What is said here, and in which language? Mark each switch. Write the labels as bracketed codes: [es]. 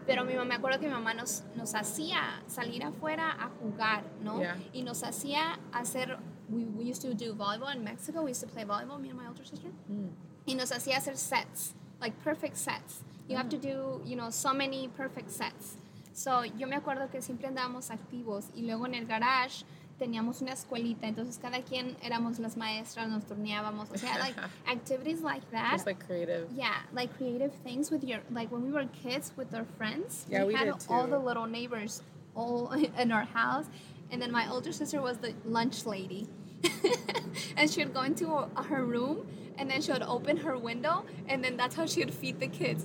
[es] Pero me acuerdo que mi mamá nos hacía salir afuera a jugar, ¿no? [en] Yeah. [es] Y nos hacía hacer [en] we used to do volleyball in Mexico. We used to play volleyball, me and my older sister. Mm. [es] Y nos hacía hacer sets, [en] like perfect sets. You have to do, you know, so many perfect sets. [es] So, yo me acuerdo que siempre andábamos activos. Y luego en el garage teníamos una escuelita. Entonces, cada quien éramos las maestras, nos turneábamos. O sea, [en] like, activities like that. Just like creative. Yeah, like creative things with your, like when we were kids with our friends. Yeah, we had did too. All the little neighbors all in our house. And then my older sister was the lunch lady. And she would go into her room and then she would open her window, and then that's how she'd feed the kids.